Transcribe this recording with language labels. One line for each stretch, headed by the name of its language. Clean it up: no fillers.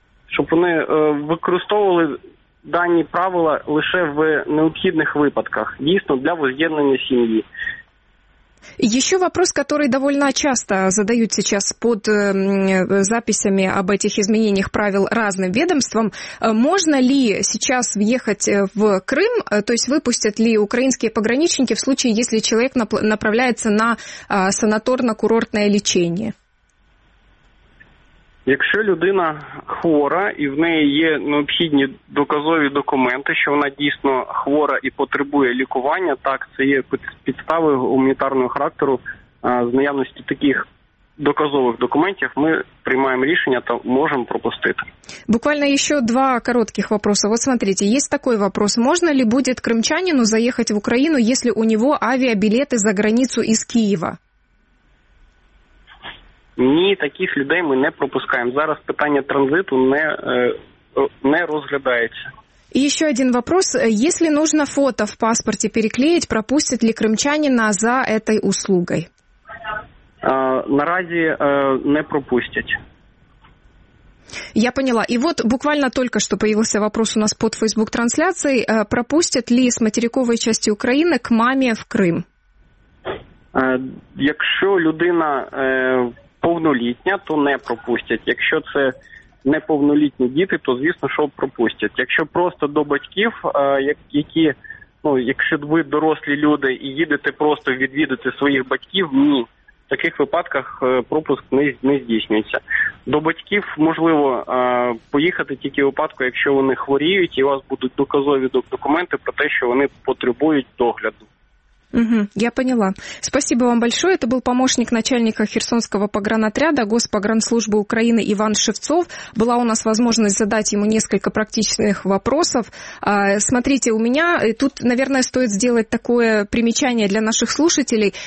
Ukrainian: Щоб вони використовували дані правила лише в необхідних випадках, дійсно для возз'єднання сім'ї.
Russian: Еще вопрос, который довольно часто задают сейчас под записями об этих изменениях правил разным ведомствам. Можно ли сейчас въехать в Крым, то есть выпустят ли украинские пограничники в случае, если человек направляется на санаторно-курортное лечение?
Ukrainian: Якщо людина хвора і в неї є необхідні доказові документи, що вона дійсно хвора і потребує лікування, так, це є підстави гуманітарного характеру, з наявності таких доказових документів ми приймаємо рішення та можемо пропустити. Буквально ще два коротких питання. Ось, смотрите, є такий вопрос. Можна ли буде кримчанину заїхати в Україну, якщо у нього авіабілети за границю із Києва? Ні, таких людей ми не пропускаємо. Зараз питання транзиту не розглядається. І ще один вопрос. Якщо потрібно фото в паспорті переклеїти, пропустять ли кримчаніна за цією услугою? Наразі не пропустять.
Russian: Я поняла. И вот буквально только что появился вопрос у нас под Facebook-трансляцией. Пропустят ли с материковой части Украины к маме в Крым?
Ukrainian: Якщо людина повнолітня, то не пропустять. Якщо це неповнолітні діти, то, звісно, що пропустять. Якщо просто до батьків, які, ну, якщо ви дорослі люди і їдете просто відвідати своїх батьків, ні. В таких випадках пропуск не здійснюється. До батьків можливо поїхати тільки в випадку, якщо вони хворіють, і у вас будуть доказові документи про те, що вони потребують догляду.
Russian: Я поняла. Спасибо вам большое. Это был помощник начальника Херсонского погранотряда Госпогранслужбы Украины Иван Шевцов. Была у нас возможность задать ему несколько практичных вопросов. Смотрите, у меня тут, наверное, стоит сделать такое примечание для наших слушателей.